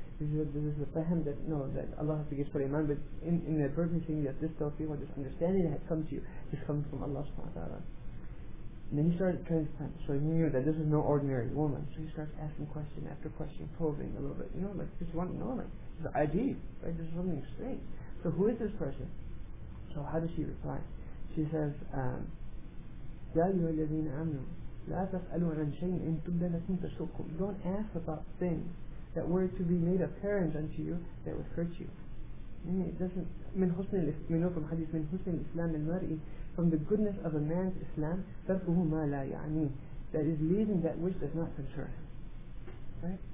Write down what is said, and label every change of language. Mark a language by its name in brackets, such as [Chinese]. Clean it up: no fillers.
[English] This is a fahim that, no, that Allah has to give Sulaiman, but inadvertently saying that this tawfiq or this understanding that had come to you is coming from Allah subhanahu wa ta'ala. And then he started transplant, so he knew that this is no ordinary woman. So he starts asking question after question, probing a little bit, you know, like just want to know, like this is ID, right? This is something strange. So who is this person? So how does she reply? She says, [Arabic] يَا أَيُّهَا الَّذِينَ آمَنُوا لَا تَسْأَلُوا عَنْ شَيْءٍ إِن تُبْدَ لَكُمْ تَسُؤْكُمْ. [English] Don't ask about things that were to be made apparent unto you that would hurt you. [Arabic] من حسن الإسلام, [English] you know, from hadith, [Arabic] من حسن الإسلام المرئي, [English] from the goodness of a man's Islam, [Arabic] تَرْكُهُ مَا لَا يَعْنِي, [English] that is leaving that which does not concern him. Right?